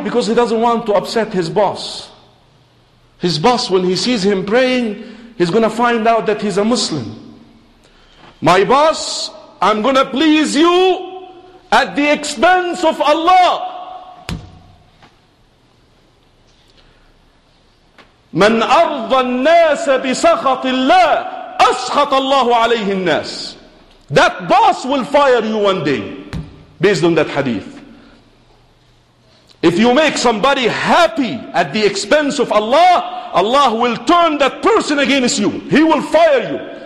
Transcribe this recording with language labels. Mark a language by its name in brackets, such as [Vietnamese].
[English] Because he doesn't want to upset his boss. His boss, when he sees him praying, he's going to find out that he's a Muslim. My boss, I'm going to please you at the expense of Allah. [Arabic] من أرضى الناس بسخط الله أسخط الله عليه الناس. [English] That boss will fire you one day, based on that hadith. If you make somebody happy at the expense of Allah, Allah will turn that person against you. He will fire you.